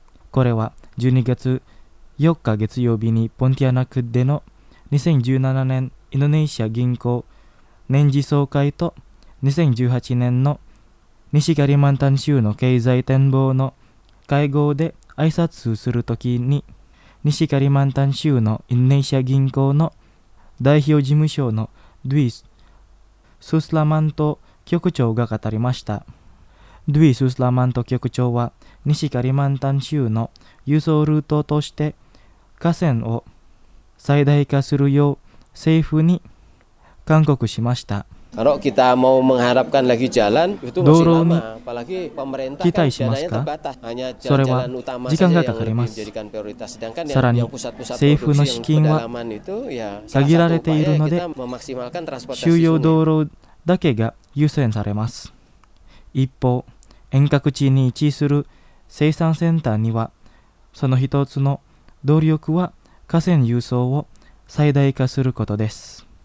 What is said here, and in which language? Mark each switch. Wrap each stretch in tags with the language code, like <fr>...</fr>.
<ja>これは12月4日月曜日にポンティアナックでの2017年インドネシア銀行年次総会と2018年の西カリマンタン州の経済展望の会合で挨拶するときに、西カリマンタン州のインドネシア銀行の代表事務所のドゥイ・スースラマント局長が語りました。ドゥイ・スースラマント局長は、西カリマンタン州の輸送ルートとして河川を最大化するよう政府に勧告しました。</ja> <id>Kalau kita mau mengharapkan lagi jalan itu masih lama, apalagi pemerintah kan jalannya terbatas. Hanya jalan utama saja yang dijadikan prioritas. Sedangkan yang pusat-pusat produksi yang pedalaman itu, ya salah satu upaya kita memaksimalkan transportasi sungai.</id> <ja>主要道路だけが優先されます。一方、遠隔地に位置する生産センターには、その一つの努力は河川輸送を最大化することです。</ja>